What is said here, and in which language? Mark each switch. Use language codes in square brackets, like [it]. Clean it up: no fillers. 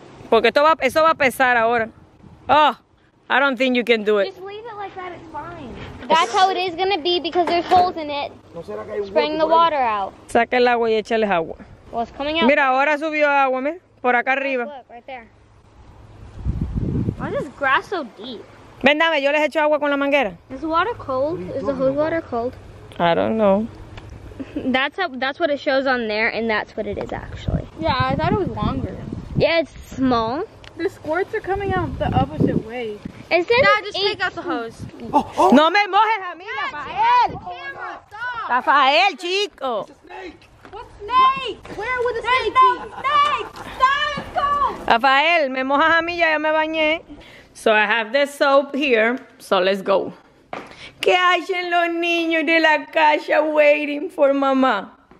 [es] Porque esto va, eso va a pesar ahora. [en] Oh, I don't think you can do it. That's how it is gonna be because there's holes in it. Spraying the water out. [es] Saca el agua y échales agua. [en] Well, it's coming out. [es] Mira, ahora subió agua, mira. Por acá arriba. [en] Look, right there. Why is this grass so deep? [es] Ven, dame, yo les echo agua con la manguera. [en] Is the water cold? Is the hose water cold? I don't know. That's what it shows on there, and that's what it is actually. Yeah, I thought it was longer. Yeah, it's small. The squirts are coming out the opposite way. Instead Dad, just take out the hose. Oh. [es] No me mojes a mí, Rafael. [en] Stop. [es] Rafael, chico. [en] What snake? Where would the snake be? There's no snake. Stop, it's cold. [es] Rafael, me mojas a mí, ya yo me bañé. [en] So I have the soap here, so let's go. [es] ¿Qué hacen los niños de la casa [en] waiting for mama?